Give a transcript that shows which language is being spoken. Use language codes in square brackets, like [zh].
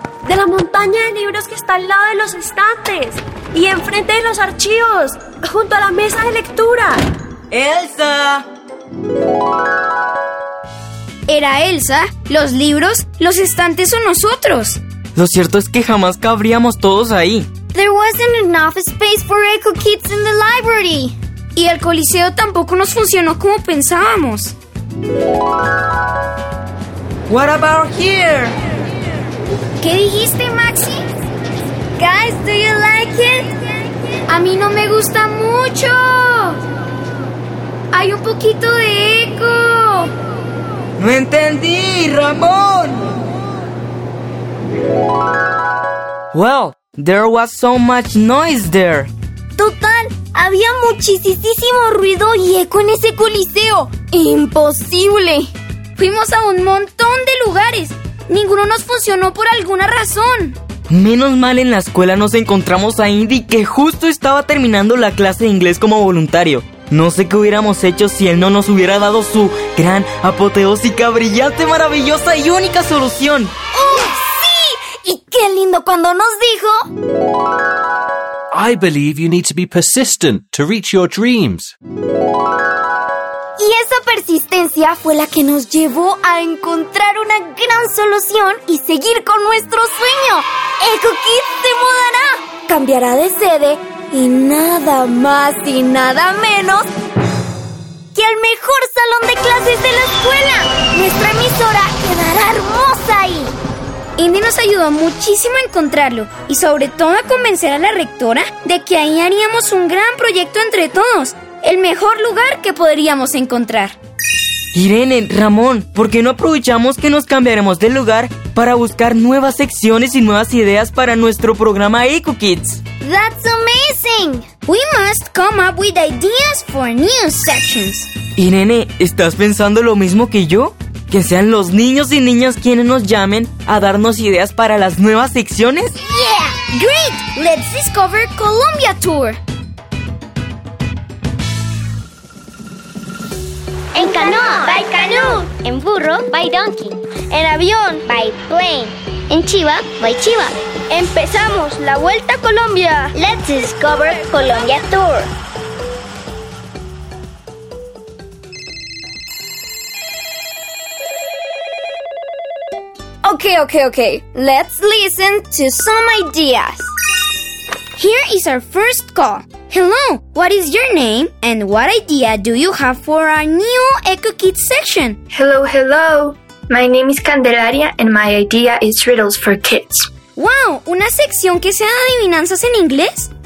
[es] De la montaña de libros que está al lado de los estantes. Y enfrente de los archivos, junto a la mesa de lectura. ¡Elsa! ¿Era Elsa? ¿Los libros? ¿Los estantes o nosotros? Lo cierto es que jamás cabríamos todos ahí. [en] There wasn't enough space for Echo Kids in the library. [es] Y el coliseo tampoco nos funcionó como pensábamos. [en] What about here? [es] ¿Qué dijiste, Maxi? [en] Guys, do you like it? [es] A mí no me gusta mucho. Hay un poquito de eco. No entendí, Ramón. [en] Well, there was so much noise there. [es] Total, había muchísimo ruido y eco en ese coliseo. Imposible. Fuimos a un montón de lugares. Ninguno nos funcionó por alguna razón. Menos mal en la escuela nos encontramos a Indy, que justo estaba terminando la clase de inglés como voluntario. No sé qué hubiéramos hecho si él no nos hubiera dado su gran, apoteósica, brillante, maravillosa y única solución. ¡Oh, sí! ¡Y qué lindo cuando nos dijo! [en] I believe you need to be persistent to reach your dreams. [es] Y esa persistencia fue la que nos llevó a encontrar una gran solución y seguir con nuestro sueño. ¡Echo Kids se mudará! Cambiará de sede y nada más y nada menos que al mejor salón de clases de la escuela. Nuestra emisora quedará hermosa ahí. Indy nos ayudó muchísimo a encontrarlo y sobre todo a convencer a la rectora de que ahí haríamos un gran proyecto entre todos. El mejor lugar que podríamos encontrar. Irene, Ramón, ¿por qué no aprovechamos que nos cambiaremos de lugar para buscar nuevas secciones y nuevas ideas para nuestro programa Echo Kids? [en] That's amazing. We must come up with ideas for new sections. [es] Irene, ¿estás pensando lo mismo que yo? ¿Que sean los niños y niñas quienes nos llamen a darnos ideas para las nuevas secciones? [en] Yeah, great. Let's discover Colombia Tour. [es] En canoa, [en] by canoe. [es] En burro, [en] by donkey. [es] En avión, [en] by plane. [es] En chiva, [en] by chiva. [es] ¡Empezamos la Vuelta a Colombia! [en] ¡Let's discover Colombia Tour! Ok. Let's listen to some ideas. Here is our first call. Hello, what is your name and what idea do you have for our new Echo Kids section? Hello. My name is Candelaria and my idea is riddles for kids. [es] Wow, ¿una sección que sea de adivinanzas en inglés?